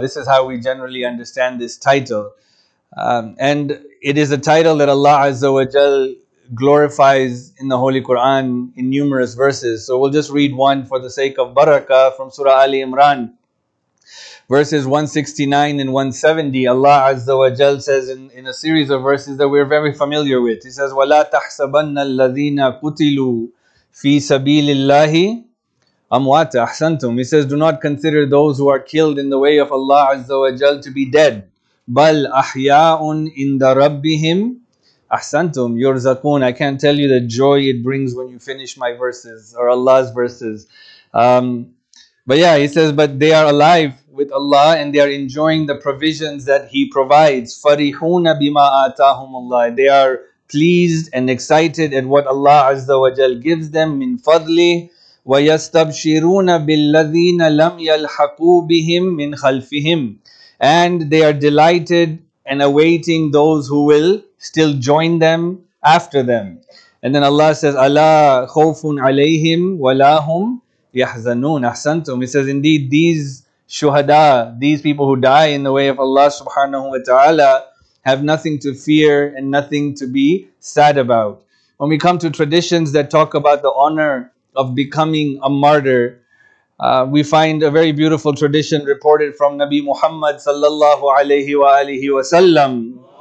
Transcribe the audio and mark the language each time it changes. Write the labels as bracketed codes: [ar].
[en] This is how we generally understand this title. And it is a title that Allah Azza wa Jal glorifies in the Holy Quran in numerous verses. So we'll just read one for the sake of barakah from Surah Ali Imran. Verses 169 and 170, Allah Azza wa Jal says in a series of verses that we're very familiar with. He says, [ar] وَلَا تَحْسَبَنَّ الَّذِينَ قُتِلُوا فِي سَبِيلِ اللَّهِ أَمْوَاتَ أَحْسَنْتُمْ. [en] He says, do not consider those who are killed in the way of Allah Azza wa Jal to be dead. [ar] بَلْ أَحْيَاءٌ إِنْدَ رَبِّهِمْ أَحْسَنْتُمْ يُرْزَقُونَ. [en] I can't tell you the joy it brings when you finish my verses or Allah's verses. But yeah, he says, but they are alive with Allah and they are enjoying the provisions that He provides. [ar] فَرِحُونَ بِمَا آتَاهُمُ اللَّهِ. [en] They are pleased and excited at what Allah Azza wa Jal gives them min fadli. [ar] وَيَسْتَبْشِرُونَ بِالَّذِينَ لَمْ يَلْحَقُوا بِهِمْ مِنْ خَلْفِهِمْ. [en] And they are delighted and awaiting those who will still join them after them. And then Allah says, [ar] أَلَا خَوْفٌ عَلَيْهِمْ وَلَا هُمْ يَحْزَنُونَ. أَحْسَنْتُمْ. [en] He says, indeed, these shuhada, these people who die in the way of Allah subhanahu wa ta'ala, have nothing to fear and nothing to be sad about. When we come to traditions that talk about the honor of becoming a martyr, we find a very beautiful tradition reported from Nabi Muhammad sallallahu alayhi wa alihi wa sallam.